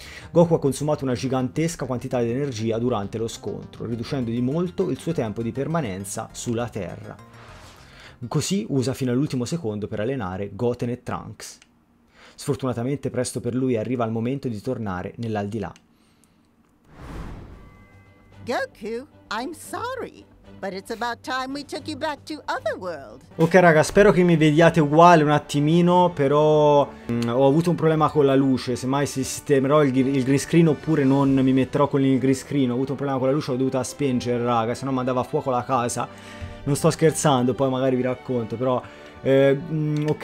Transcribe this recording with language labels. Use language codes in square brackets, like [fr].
[it] Goku ha consumato una gigantesca quantità di energia durante lo scontro, riducendo di molto il suo tempo di permanenza sulla Terra. Così usa fino all'ultimo secondo per allenare Goten e Trunks. Sfortunatamente presto per lui arriva il momento di tornare nell'aldilà. Goku, [en] I'm sorry, but it's about time we took you back to Otherworld. [it] Ok raga, spero che mi vediate uguale un attimino, però ho avuto un problema con la luce. Semmai sistemerò il green screen oppure non mi metterò con il green screen. Ho avuto un problema con la luce, l'ho dovuta spengere raga, sennò mandava a fuoco la casa. Non sto scherzando, poi magari vi racconto, però ok.